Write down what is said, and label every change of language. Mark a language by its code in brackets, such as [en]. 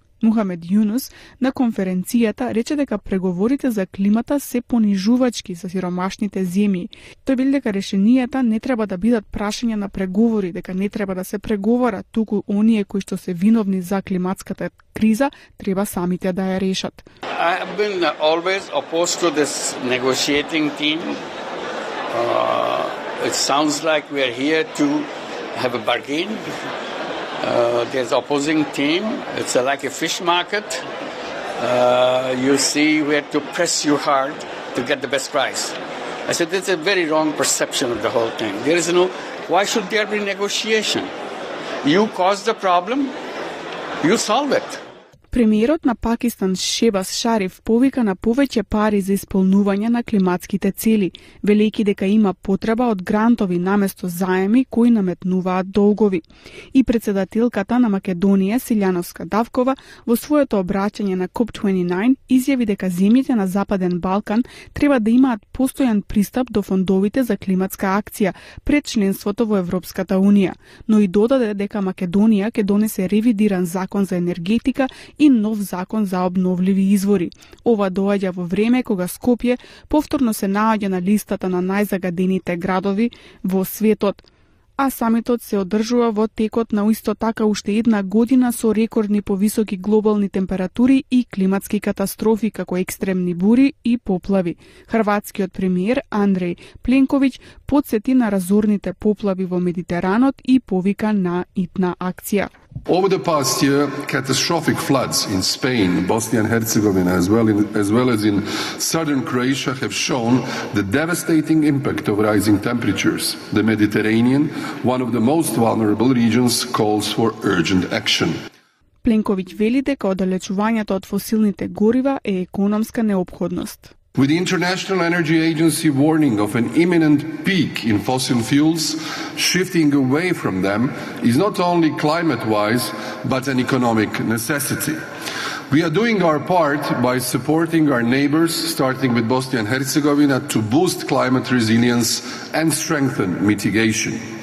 [mk] Мухамед Јунус на конференцијата рече дека преговорите за климата се понижувачки за сиромашните земји. Тој вели дека решенијата не треба да бидат прашања на преговори, дека не треба да се преговара, туку оние кои што се виновни за климатската криза треба самите да ја решат. [en] I have been always opposed to this negotiating team. It sounds like we are here to have a bargain. There's opposing team. It's like a fish market. You see, we have to press you hard to get the best price. I said that's a very wrong perception of the whole thing. There is no. Why should there be negotiation? You cause the problem. You solve it. [mk] Премиерот на Пакистан Шебас Шариф повика на повеќе пари за исполнување на климатските цели, велејќи дека има потреба од грантови наместо заеми кои наметнуваат долгови. И председателката на Македонија Силјановска-Давкова во своето обраќање на COP29 изјави дека земјите на Западен Балкан треба да имаат постојан пристап до фондовите за климатска акција пред членството во Европската Унија, но и додаде дека Македонија ќе донесе ревидиран закон за енергетика и нов закон за обновливи извори. Ова доаѓа во време кога Скопје повторно се наоѓа на листата на најзагадените градови во светот. А самитот се одржува во текот на исто така уште една година со рекордни повисоки глобални температури и климатски катастрофи како екстремни бури и поплави. Хрватскиот премиер Андреј Пленковиќ подсети на разорните поплави во Медитеранот и повика на итна акција. [en] Over the past year, catastrophic floods in Spain, Bosnia and Herzegovina, as well as in southern Croatia, have shown the devastating impact of rising temperatures. The Mediterranean, one of the most vulnerable regions, calls for urgent action. [mk] Пленковиќ вели дека оддалечувањето од фосилните горива е економска необходност. [en] With the International Energy Agency warning of an imminent peak in fossil fuels, shifting away from them is not only climate-wise, but an economic necessity. We are doing our part by supporting our neighbors, starting with Bosnia and Herzegovina, to boost climate resilience and strengthen mitigation.